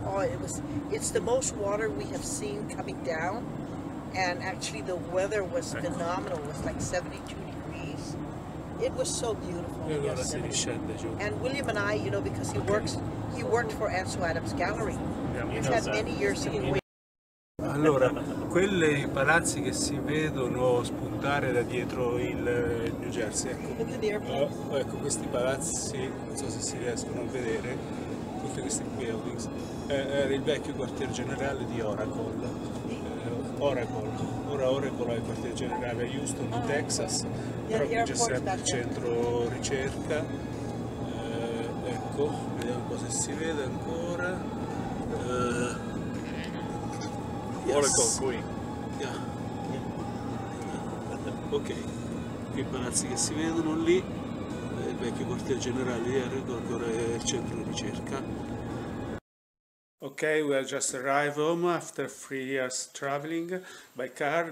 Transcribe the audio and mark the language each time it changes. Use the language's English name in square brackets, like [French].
[English] Oh, it's the most water we have seen coming down, and actually the weather was phenomenal. It was like 72 degrees. It was so beautiful. And William and I, you know, because he worked for Ansel Adams Gallery. We've had many years in [Italian] Allora, quelle palazzi che si vedono spuntare da dietro il New Jersey, ecco questi palazzi, non so se si riescono a vedere, tutti questi buildings, era il vecchio quartier generale di Oracle. Oracle è il quartier generale a Houston, in Texas, proprio c'è sempre il centro ricerca. Ecco, vediamo un po' se si vede ancora. Oracle qui. Ok, i palazzi che si vedono lì, il vecchio quartier generale di Oracle, il centro di ricerca. [English] Ok, we have just arrived home after 3 years traveling by car.